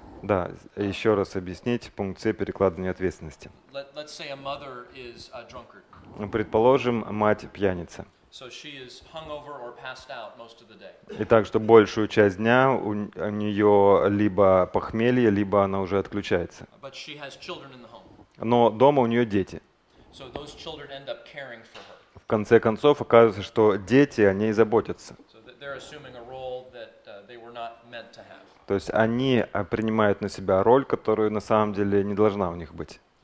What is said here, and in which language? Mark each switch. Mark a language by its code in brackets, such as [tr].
[ru] Да, еще раз объяснить пункт С перекладывания ответственности. [en] Let's say a mother is a drunkard. [ru] Предположим, мать пьяница. [en] So she is hungover or passed out most of the day. [ru] Итак, что большую часть дня у нее либо похмелье, либо она уже отключается. [en] But she has children in the home. [ru] Но дома у нее дети. [en] So those children end up caring for her. [ru] В конце концов, оказывается, что дети о ней заботятся. [en] So they're assuming a role that they were not meant to have. [ru] То есть они принимают на себя роль, которую на самом деле не должна у них быть.